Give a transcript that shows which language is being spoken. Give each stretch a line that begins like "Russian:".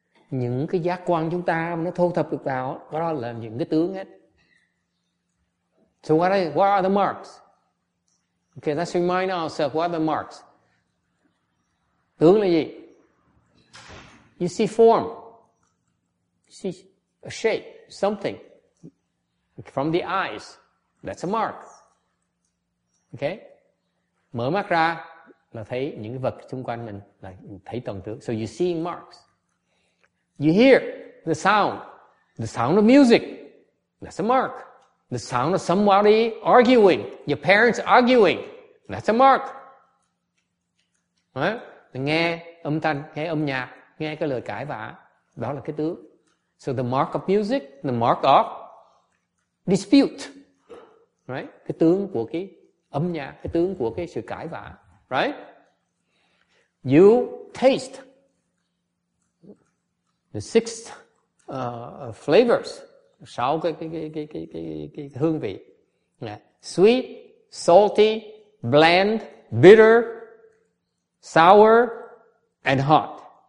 Vietnamese: Những cái giác quan chúng ta mà nó thu thập được vào, đó là những cái tướng hết.
English: So what are the marks? Okay, let's remind ourselves, what are the marks?
Vietnamese: Tướng là gì?
English: You see form. You see a shape, something. From the eyes, that's a mark. Okay?
Vietnamese: Mở mắt ra là thấy những cái vật xung quanh mình, là thấy toàn tướng.
English: So you see marks. You hear the sound of music, that's a mark. The sound of somebody arguing, your parents arguing, that's a mark.
Vietnamese: Nghe âm thanh, nghe âm nhạc, nghe cái lời cãi vã, đó là cái tướng.
English: So the mark of music, the mark of dispute, right?
Vietnamese: Cái tướng của cái âm nhạc, cái tướng của cái sự cãi vã, right?
English: You taste the six flavors,
Vietnamese: sáu cái hương vị,
English: sweet, salty, bland, bitter, sour, and hot.